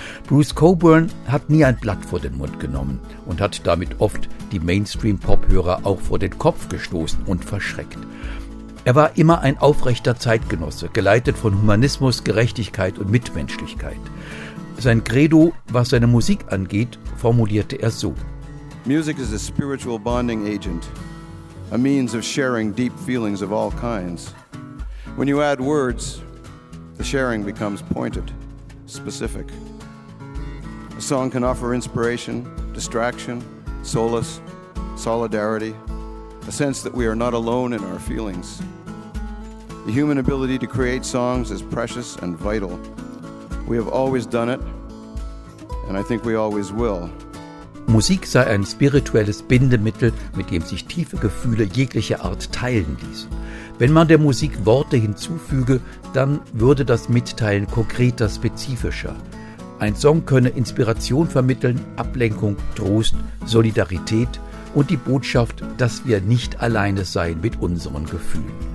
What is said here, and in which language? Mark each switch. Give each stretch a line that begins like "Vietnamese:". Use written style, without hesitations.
German: Bruce Coburn hat nie ein Blatt vor den Mund genommen und hat damit oft die Mainstream-Pop-Hörer auch vor den Kopf gestoßen und verschreckt. Er war immer ein aufrechter Zeitgenosse, geleitet von Humanismus, Gerechtigkeit und Mitmenschlichkeit. Sein Credo, was seine Musik angeht, formulierte er so:
English: Music is a spiritual bonding agent, a means of sharing deep feelings of all kinds. When you add words, the sharing becomes pointed, specific. A song can offer inspiration, distraction, solace, solidarity, a sense that we are not alone in our feelings. The human ability to create songs is precious and vital. We have always done it, and I think we always will.
German: Musik sei ein spirituelles Bindemittel, mit dem sich tiefe Gefühle jeglicher Art teilen ließen. Wenn man der Musik Worte hinzufüge, dann würde das Mitteilen konkreter, spezifischer. Ein Song könne Inspiration vermitteln, Ablenkung, Trost, Solidarität und die Botschaft, dass wir nicht alleine seien mit unseren Gefühlen.